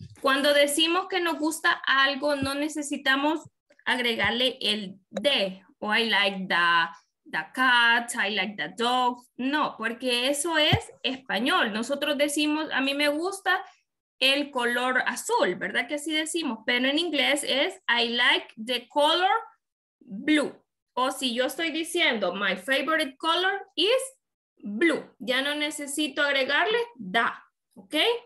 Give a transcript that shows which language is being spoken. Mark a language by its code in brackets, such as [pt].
[es] Cuando decimos que nos gusta algo, no necesitamos agregarle el de. [en] Oh, I like the cat, I like the dog. [es] No, porque eso es español. Nosotros decimos, a mí me gusta el color azul, ¿verdad que así decimos? Pero en inglés es, [en] I like the color blue. [es] O si yo estoy diciendo, [en] my favorite color is blue. [es] Ya no necesito agregarle da, ¿ok?